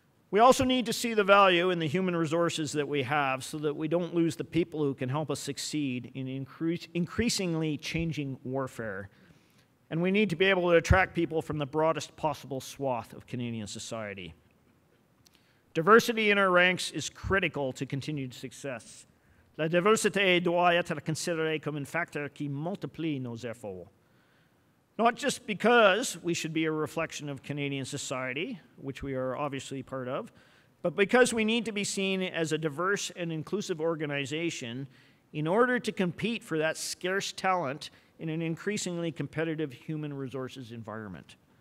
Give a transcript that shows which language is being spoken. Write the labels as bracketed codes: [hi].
[en] We also need to see the value in the human resources that we have so that we don't lose the people who can help us succeed in increasingly changing warfare. And we need to be able to attract people from the broadest possible swath of Canadian society. Diversity in our ranks is critical to continued success. [fr] La diversité doit être considérée comme un facteur qui multiplie nos efforts. [en] Not just because we should be a reflection of Canadian society, which we are obviously part of, but because we need to be seen as a diverse and inclusive organization in order to compete for that scarce talent in an increasingly competitive human resources environment.